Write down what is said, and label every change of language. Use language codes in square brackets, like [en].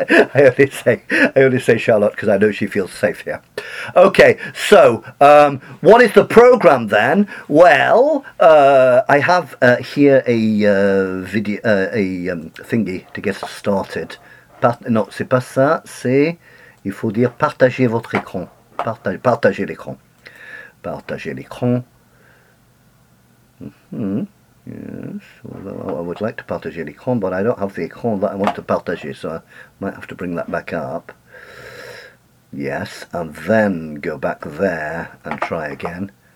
[en] I only say Charlotte because I know she feels safe here. Okay, so what is the programme then? Well, I have here a thingy to get us started. [fr] Non, c'est pas ça, c'est... Il faut dire partager votre écran. Partager l'écran. Partager l'écran. [en] Yes, although I would like to [fr] partager l'écran, [en] but I don't have the écran that I want to partager, so I might have to bring that back up. Yes, and then go back there and try again.